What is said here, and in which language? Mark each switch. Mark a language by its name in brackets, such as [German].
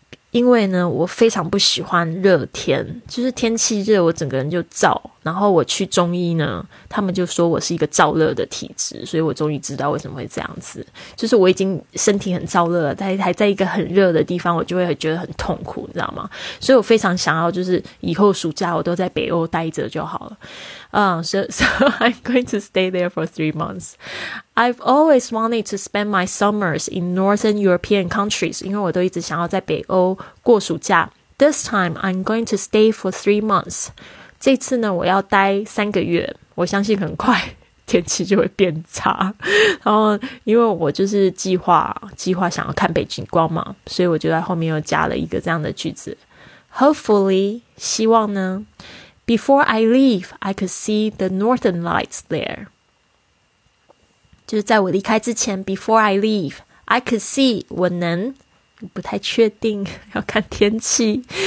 [Chinese] 因为呢我非常不喜欢热天，就是天气热我整个人就燥，然后我去中医呢他们就说我是一个燥热的体质，所以我终于知道为什么会这样子，就是我已经身体很燥热了，但还在一个很热的地方我就会觉得很痛苦，你知道吗？所以我非常想要就是以后暑假我都在北欧待着就好了。 [English] So I'm going to stay there for 3 months. I've always wanted to spend my summers in northern European countries. [Chinese] 因为我都一直想要在北欧过暑假。 [English] This time I'm going to stay for 3 months. [Chinese] 这次呢我要待三个月，我相信很快天气就会变差，然后因为我就是计划想要看北极光嘛，所以我就在后面又加了一个这样的句子。 [English] Hopefully, [Chinese] 希望呢 [English] Before I leave, I could see the northern lights there. [Chinese] 就是在我离开之前 [English] Before I leave, I could see, [Chinese] 我能不太确定，要看天气。